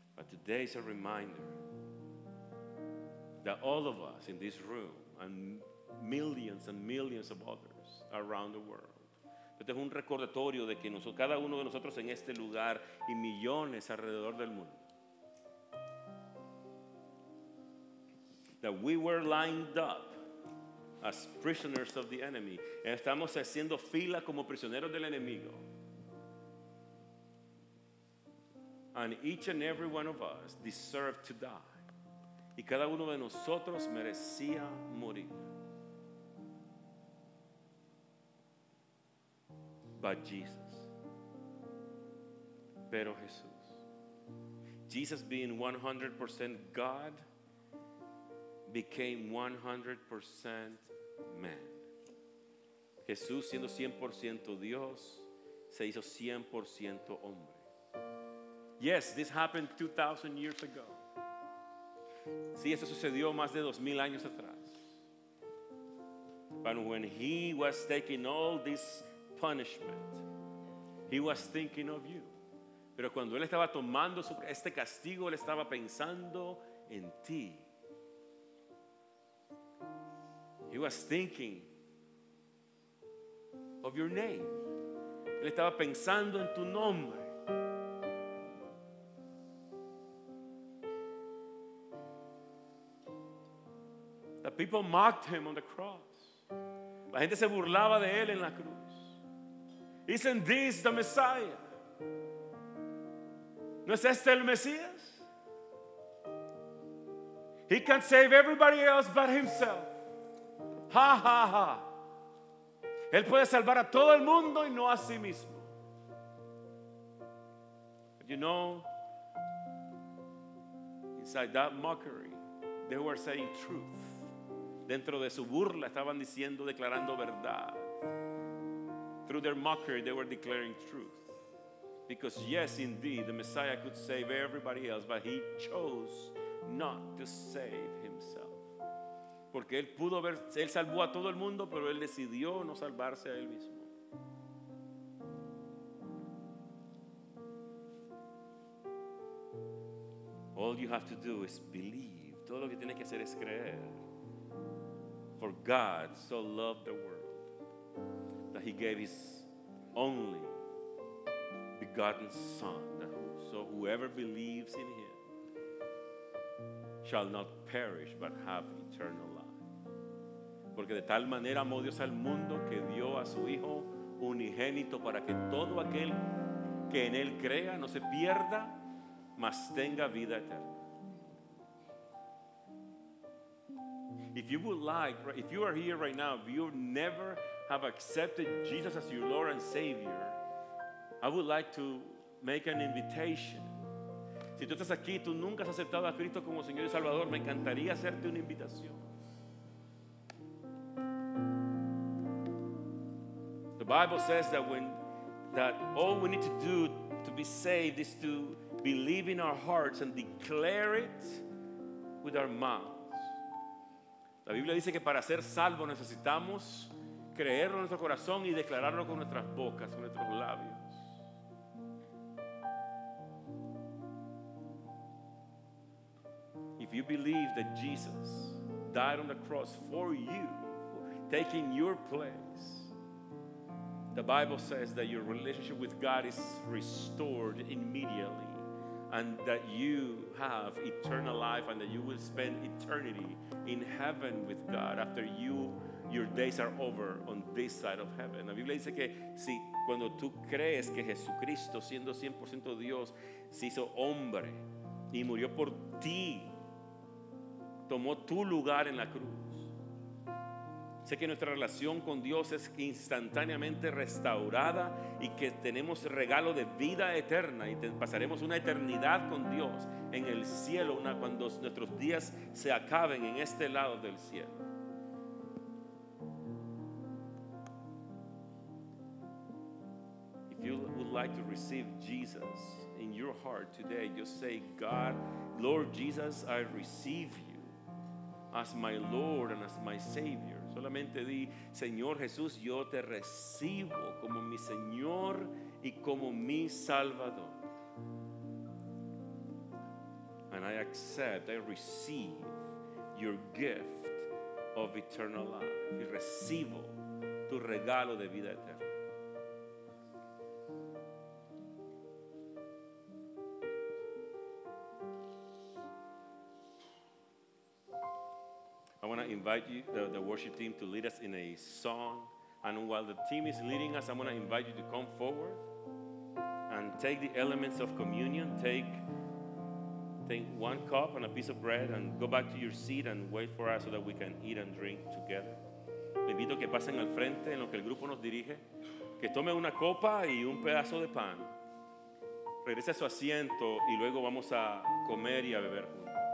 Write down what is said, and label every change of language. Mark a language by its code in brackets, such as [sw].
[en] Today is a reminder that all of us in this room and millions of others around the world. [es] Este es un recordatorio de que nosotros, cada uno de nosotros en este lugar y millones alrededor del mundo. [en] That we were lined up as prisoners of the enemy. [es] Estamos haciendo fila como prisioneros del enemigo. [en] And each and every one of us deserved to die. [es] Y cada uno de nosotros merecía morir. [en] But Jesus. [es] Pero Jesús. [en] Jesus being 100% God became 100% man. [es] Jesús siendo 100% Dios se hizo 100% hombre. [en] Yes, this happened 2,000 years ago. [es] Sí, eso sucedió más de 2,000 años atrás. [en] But when he was taking all this punishment, he was thinking of you. [es] Pero cuando él estaba tomando este castigo, él estaba pensando en ti. [en] He was thinking of your name. [es] Él estaba pensando en tu nombre. [en] The people mocked him on the cross. [es] La gente se burlaba de él en la cruz. [en] Isn't this the Messiah? [es] ¿No es este el Mesías? [en] He can save everybody else but himself. Ha, ha, ha. [es] Él puede salvar a todo el mundo y no a sí mismo. [en] But you know, inside that mockery, they were saying truth. [es] Dentro de su burla estaban diciendo, declarando verdad. [en] Through their mockery, they were declaring truth. Because yes, indeed, the Messiah could save everybody else, but he chose not to save himself. [es] Porque él pudo ver, él salvó a todo el mundo, pero él decidió no salvarse a él mismo. [en] All you have to do is believe. [es] Todo lo que tienes que hacer es creer. [en] For God so loved the world that he gave his only begotten Son, that so whoever believes in him shall not perish but have eternal life. [es] Porque de tal manera amó Dios al mundo que dio a su Hijo unigénito para que todo aquel que en él crea no se pierda, mas tenga vida eterna. [en] If you would like, if you are here right now, if you never have accepted Jesus as your Lord and Savior, I would like to make an invitation. [es] Si tú estás aquí, tú nunca has aceptado a Cristo como Señor y Salvador, me encantaría hacerte una invitación. [en] The Bible says that all we need to do to be saved is to believe in our hearts and declare it with our mouth. [es] La Biblia dice que para ser salvo necesitamos creerlo en nuestro corazón y declararlo con nuestras bocas, con nuestros labios. [en] If you believe that Jesus died on the cross for you, taking your place, the Bible says that your relationship with God is restored immediately and that you have eternal life and that you will spend eternity in heaven with God after your days are over on this side of heaven. [es] La Biblia dice que si cuando tú crees que Jesucristo siendo 100% Dios se hizo hombre y murió por ti, tomó tu lugar en la cruz, sé que nuestra relación con Dios es instantáneamente restaurada y que tenemos regalo de vida eterna y pasaremos una eternidad con Dios en el cielo cuando nuestros días se acaben en este lado del cielo. [en] If you would like to receive Jesus in your heart today, just say, God, Lord Jesus, I receive you as my Lord and as my Savior. [es] Solamente di, Señor Jesús, yo te recibo como mi Señor y como mi Salvador. [en] And I accept, I receive your gift of eternal life. [es] Y recibo tu regalo de vida eterna. [en] Invite you, the worship team, to lead us in a song. And while the team is leading us, I'm going to invite you to come forward and take the elements of communion. Take one cup and a piece of bread and go back to your seat and wait for us so that we can eat and drink together. [es] Le invito que pasen al frente en lo que el grupo nos dirige, que tome una copa y un pedazo de pan. Regrese a su asiento y luego vamos a comer y a beber juntos.